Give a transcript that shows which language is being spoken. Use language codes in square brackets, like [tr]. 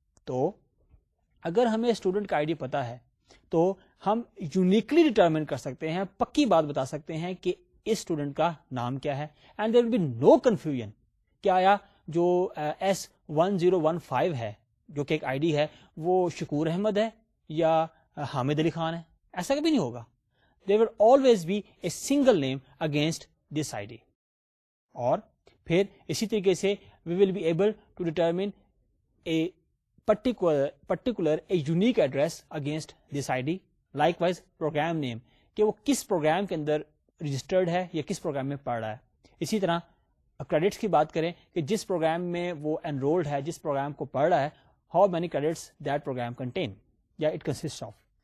[ur] تو اگر ہمیں اسٹوڈنٹ کا آئی ڈی پتا ہے تو ہم یونیکلی ڈیٹرمن کر سکتے ہیں, پکی بات بتا سکتے ہیں کہ اس اسٹوڈنٹ کا نام کیا ہے, [en] and there will be no confusion [ur] کیا آیا جو ایس 1015 ہے جو کہ ایک آئی ڈی ہے وہ شکور احمد ہے یا حامد علی خان ہے, ایسا کبھی نہیں ہوگا. [en] There will always be a single name against this ID ڈی. [ur] اور پھر اسی طریقے سے [en] We will be able to determine a particular a unique address against this ID ڈی. [ur] Like wise program name کہ وہ کس پروگرام کے اندر رجسٹرڈ ہے یا کس پروگرام میں پڑھ رہا ہے. اسی طرح کریڈٹس کی بات کریں کہ جس پروگرام میں وہ انرولڈ ہے, جس پروگرام کو پڑھ رہا ہے, [en] how many credits that program contain [ur] یا [en] It consist of.